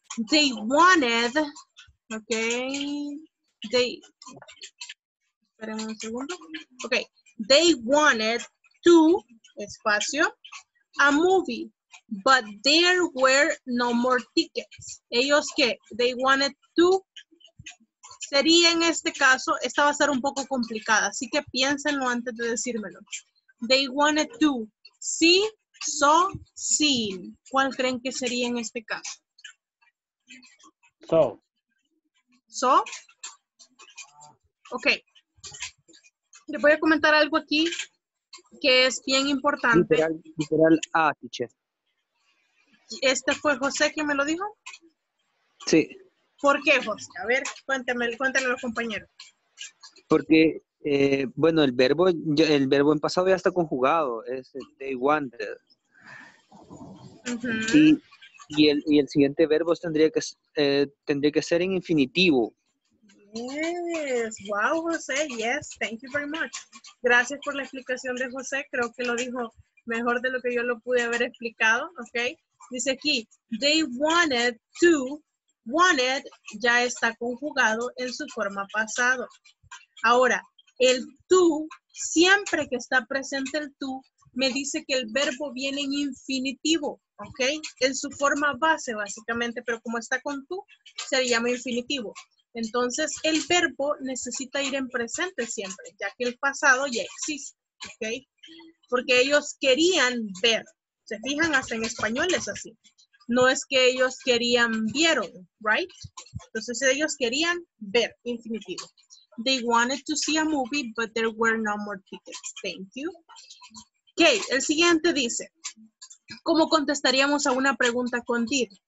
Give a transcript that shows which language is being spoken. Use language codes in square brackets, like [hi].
[en] They wanted. Ok. They. [es] Esperen un segundo. [en] Ok. They wanted to, espacio, a movie, but there were no more tickets. [es] ¿Ellos qué? [en] They wanted to. [es] Sería en este caso, esta va a ser un poco complicada, así que piénsenlo antes de decírmelo. [en] They wanted to see, saw, seen. [es] ¿Cuál creen que sería en este caso? [en] So. So. Ok. [es] Le voy a comentar algo aquí que es bien importante. Literal A, teacher. ¿Este fue José quien me lo dijo? Sí. ¿Por qué, José? A ver, cuéntame a los compañeros. Porque, bueno, el verbo en pasado ya está conjugado. [en] Es they wanted. Uh-huh. [es] Y el siguiente verbo tendría que ser en infinitivo. [en] Yes, wow, José, yes, thank you very much. [es] Gracias por la explicación de José, creo que lo dijo mejor de lo que yo lo pude haber explicado, ¿ok? Dice aquí, [en] they wanted to, [es] wanted, ya está conjugado en su forma pasado. Ahora, el to, siempre que está presente el to, me dice que el verbo viene en infinitivo, ¿ok? En su forma base, básicamente, pero como está con to, se llama infinitivo. Entonces, el verbo necesita ir en presente siempre, ya que el pasado ya existe, ¿ok? Porque ellos querían ver. ¿Se fijan? Hasta en español es así. No es que ellos querían vieron, ¿right? Entonces, ellos querían ver, infinitivo. [en] They wanted to see a movie, but there were no more tickets. Thank you. [es] Ok, el siguiente dice, ¿cómo contestaríamos a una pregunta con did?